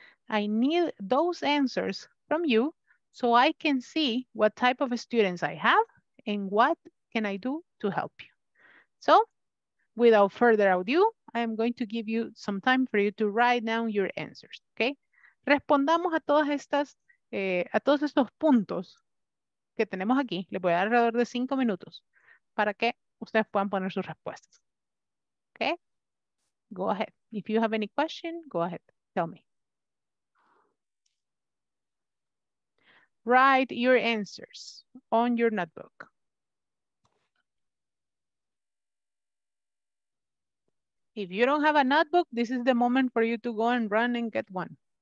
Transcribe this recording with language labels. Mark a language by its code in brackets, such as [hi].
[en] I need those answers from you so I can see what type of students I have and what can I do to help you. So without further ado, I am going to give you some time for you to write down your answers, okay? [es] Respondamos a todas estas, a todos estos puntos que tenemos aquí. Les voy a dar alrededor de 5 minutos para que ustedes puedan poner sus respuestas, okay? [en] Go ahead. If you have any question, go ahead, tell me. Write your answers on your notebook. If you don't have a notebook, this is the moment for you to go and run and get one.